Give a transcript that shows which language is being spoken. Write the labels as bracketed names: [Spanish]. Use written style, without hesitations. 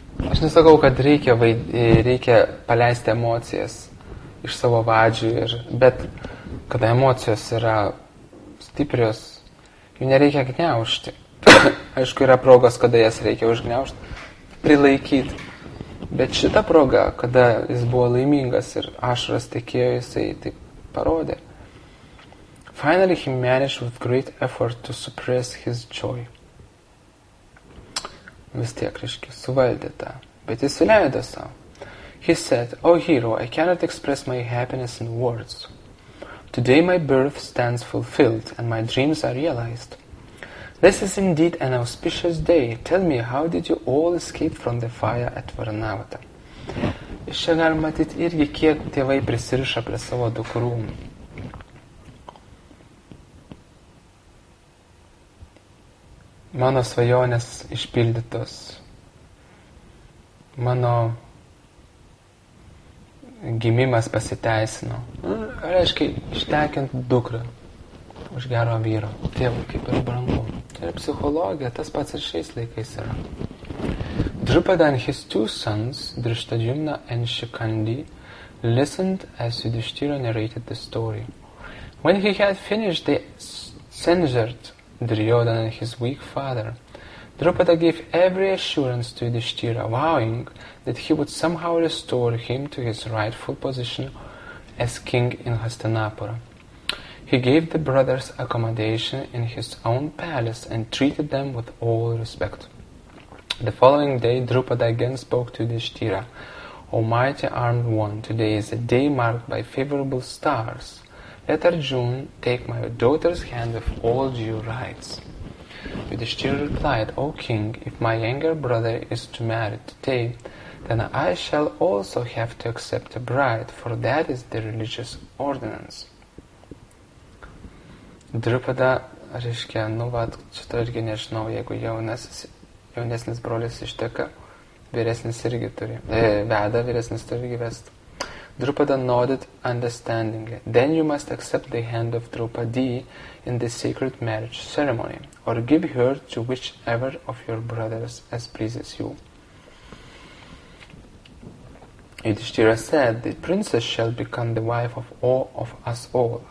[Lithuanian] Aš nesakau, kad reikia paleisti emocijas iš savo vadžių, bet kada emocijos yra stiprios, jų nereikia gniaužti. Aišku, yra progos, kada jas reikia užgniaužti, prilaikyti. Bet šita proga, kada jis buvo laimingas ir ašras tekėjo, jisai tai parodė. [English] Finally, he managed with great effort to suppress his joy. [Lithuanian] Vis tiek, reiškia, suvaldė tą. Bet jis leido savo. [English] He said, O hero, I cannot express my happiness in words. Today my birth stands fulfilled and my dreams are realized. This is indeed an auspicious day. Tell me, how did you all escape from the fire at Varanavata? [Lithuanian] Iš čia galima matyti irgi, kiek tėvai prisiriša prie savo dukrų. Mano svajonės išpildytos. Mano gimimas pasiteisino. Reiškia, ištekint dukrą už gero vyro. Tėvų kaip ir brangu. Ir psichologija, tas pats ir šiais laikais yra. [English] Drupada and his two sons, Drishtadyumna and Shikhandi, listened as Yudhishthira narrated the story. When he had finished, they censured Duryodhana and his weak father. Drupada gave every assurance to Yudhishthira, vowing that he would somehow restore him to his rightful position as king in Hastinapura. He gave the brothers accommodation in his own palace and treated them with all respect. The following day, Drupada again spoke to Yudhishthira, O mighty armed one, today is a day marked by favorable stars. Let Arjun take my daughter's hand with all due rights. Yudhishthira replied, O king, if my younger brother is to marry today, then I shall also have to accept a bride, for that is the religious ordinance. [Lithuanian] Drupada, reiškia, nu vat, šito irgi nežinau, jeigu jaunesnis brolis išteka, vyresnis irgi turi, veda, vyresnis turi gyvesti. [English] Drupada nodded understandingly. Then you must accept the hand of Drupadi in the sacred marriage ceremony, or give her to whichever of your brothers as pleases you. Yudhishthira said, The princess shall become the wife of all of us all.